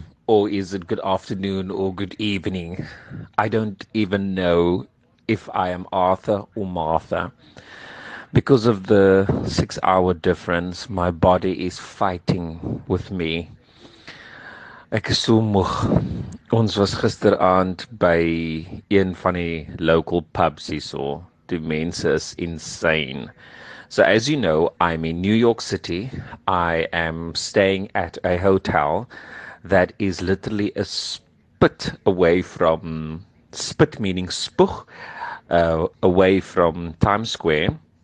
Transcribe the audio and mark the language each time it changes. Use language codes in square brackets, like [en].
[en] Or is it good afternoon or good evening? I don't even know if I am Arthur or Martha. Because of the 6-hour difference, my body is fighting with me. [af] Ek is so moeg. Ons was gisteraand by een van die local pubs hierso. Die mense is insane. [en] So as you know, I'm in New York City. I am staying at a hotel that is literally a spit away from, spit meaning spoeg, away from Times Square.